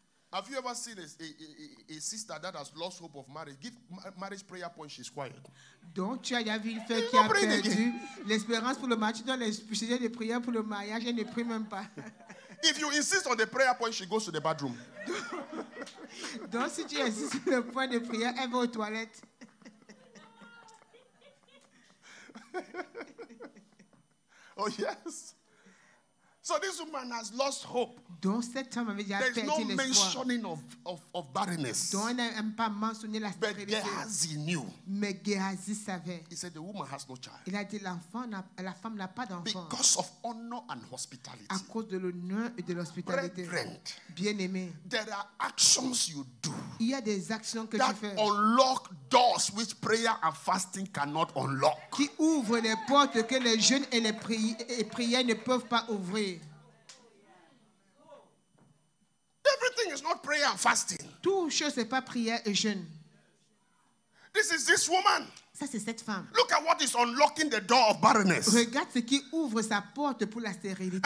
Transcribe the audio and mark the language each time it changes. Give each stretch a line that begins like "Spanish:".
English: Have you ever seen a sister that has lost hope of marriage? Give marriage prayer point, she's quiet.
French: Donc, tu as vu une femme qui a perdu l'espérance pour le mariage. Tu dois les sujets de prière pour le mariage. Elle ne prie même pas.
English: If you insist on the prayer point, she goes to the bathroom.
French: Donc, si tu insistes sur le point de prière, elle va aux toilettes.
English: Oh, yes. So this woman has lost hope.
French: Donc, cette femme avait déjà perdu l'espoir.
English: There's no mentioning of barrenness.
French: Donc, elle n'a pas mentionné la stérilité.
English: But Gehazi knew.
French: Mais Gehazi savait.
English: He said, the woman has no child.
French: Il a dit, la femme n'a pas d'enfant.
English: Because of honor and hospitality.
French: À cause de l'honneur et de l'hospitalité.
English: Brethren.
French: Bien-aimé.
English: There are actions you do.
French: Il y a des actions que
English: that
French: tu fais.
English: That unlock doors which prayer and fasting cannot unlock.
French: Qui ouvrent les portes que les jeûnes et les prières ne peuvent pas ouvrir.
English: Everything is not prayer and fasting.
French: Tout chose n'est pas prière et jeûne.
English: This is this woman.
French: Ça c'est cette femme.
English: Look at what is unlocking the door of barrenness.
French: Regarde ce qui ouvre sa porte pour la stérilité.